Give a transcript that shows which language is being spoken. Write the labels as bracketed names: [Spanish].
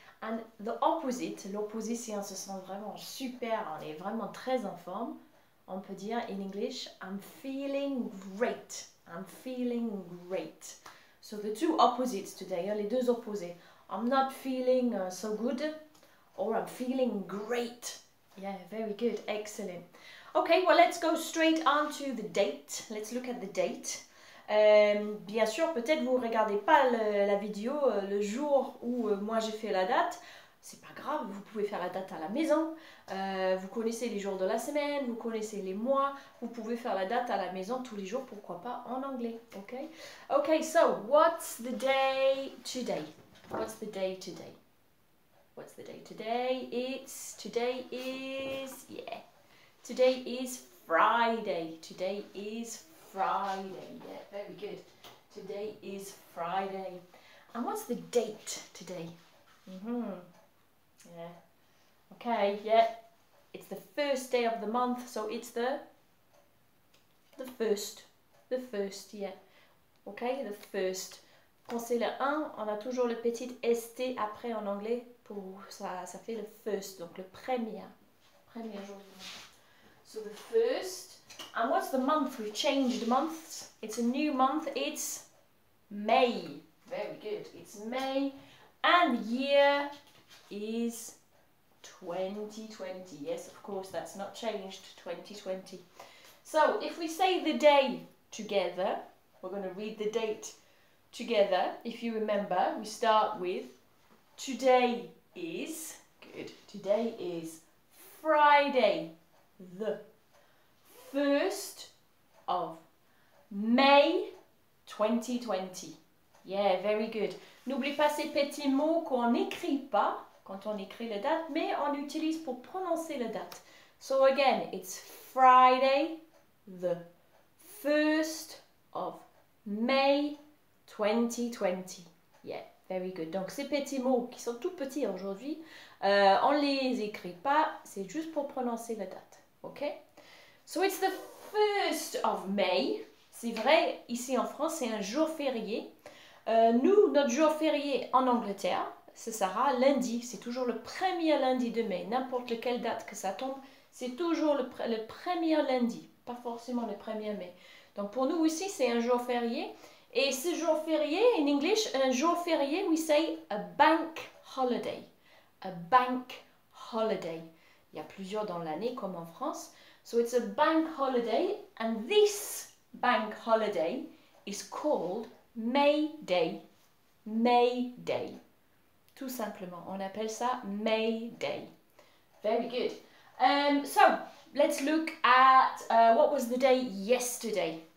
[English] And the opposite, [French] l'opposé, si on se sent vraiment super, on est vraiment très en forme, on peut dire [English] in English, I'm feeling great. I'm feeling great. So the two opposites today, [French] les deux opposés. [English] I'm not feeling so good or I'm feeling great. Yeah, very good, excellent. Okay, well, let's go straight on to the date. Let's look at the date. [French] Bien sûr, peut-être vous ne regardez pas la vidéo le jour où moi j'ai fait la date. C'est pas grave, vous pouvez faire la date à la maison. Vous connaissez les jours de la semaine, vous connaissez les mois. Vous pouvez faire la date à la maison tous les jours, pourquoi pas en anglais, okay? [English] Okay, so what's the day today? What's the day today? What's the day today? Today is Friday. Today is Friday. Yeah, very good. Today is Friday. And what's the date today? Mm-hmm. Yeah. Okay, yeah. It's the first day of the month, so it's the first, yeah. Okay, the first. [French] Pensez le 1, on a toujours le petit ST après en anglais. Pour ça fait le first, donc le premier jour. [English] So the first, and what's the month? We've changed months. It's a new month, it's May. Very good, it's May. And the year is 2020. Yes, of course, that's not changed, 2020. So if we say the day together, we're going to read the date together. If you remember, we start with today. Is good. Today is Friday, the 1st of May 2020. Yeah, very good. [French] N'oublie pas ces petits mots qu'on n'écrit pas quand on écrit la date, mais on utilise pour prononcer la date. [English] So again, it's Friday, the 1st of May 2020. Yeah. Very good. [French] Donc, ces petits mots qui sont tout petits aujourd'hui, on ne les écrit pas, c'est juste pour prononcer la date. OK? [English] So, it's the 1st of May. [French] C'est vrai, ici en France, c'est un jour férié. Nous, notre jour férié en Angleterre, ce sera lundi. C'est toujours le premier lundi de mai. N'importe quelle date que ça tombe, c'est toujours le premier lundi. pas forcément le 1er mai. Donc pour nous aussi, c'est un jour férié. Et ce jour férié, [English] in English, [French] un jour férié, [English] we say a bank holiday. A bank holiday. [French] Il y a plusieurs dans l'année, comme en France. [English] So it's a bank holiday. And this bank holiday is called May Day. May Day. [French] Tout simplement, on appelle ça [English] May Day. Very good. So, let's look at what was the day yesterday.